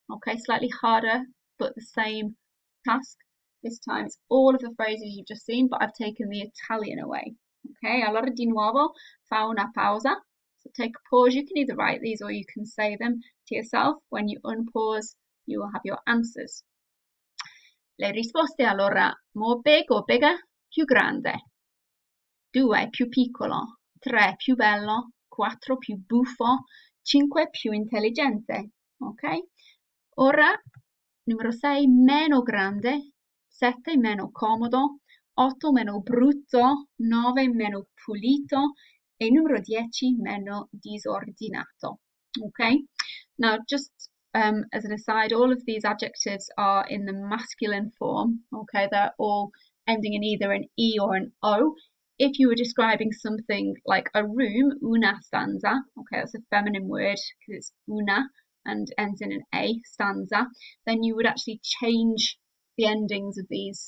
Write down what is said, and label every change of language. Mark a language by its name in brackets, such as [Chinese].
[English] Ok, slightly harder, but the same task. This time it's all of the phrases you've just seen, but I've taken the Italian away. [Italian] Ok, allora di nuovo fa una pausa. [English] So take a pause. You can either write these or you can say them to yourself. When you unpause, you will have your answers. [Italian] Le risposte allora, [English] more big or bigger, [Italian] più grande. Due, più piccolo. Tre, più bello. Quattro, più buffo. Cinque, più intelligente. Ok? Ora, numero sei, meno grande. Sette, meno comodo. 8 meno brutto, 9 meno pulito e numero 10 meno disordinato. [English] Okay? Now, just as an aside, all of these adjectives are in the masculine form. Okay? They're all ending in either an E or an O. If you were describing something like a room, [Italian] una stanza, [English] okay, that's a feminine word because it's una and ends in an A, stanza, then you would actually change the endings of these.